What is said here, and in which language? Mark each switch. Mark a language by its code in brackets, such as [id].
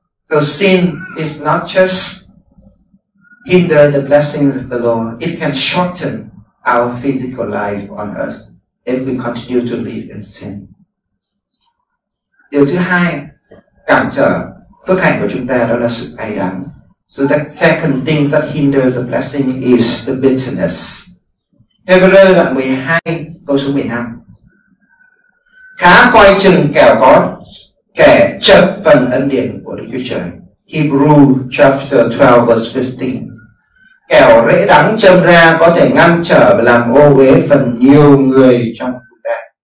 [en] So sin is not just hinder the blessings of the Lord, it can shorten our physical life on earth if we continue to live in sin. [vi] Điều thứ hai cản trở phước hạnh của chúng ta đó là sự cay đắng. [en] So that second thing that hinders the blessing is the bitterness. [vi] Hebrews đoạn 12 câu số 15. Khá coi chừng kẻo có kẻ chợt phần ân điển của Đức Chúa Trời. [en] Hebrews chapter 12 verse 15. [vi] Kẻo rễ đắng châm ra có thể ngăn trở và làm ô uế phần nhiều người trong chúng ta.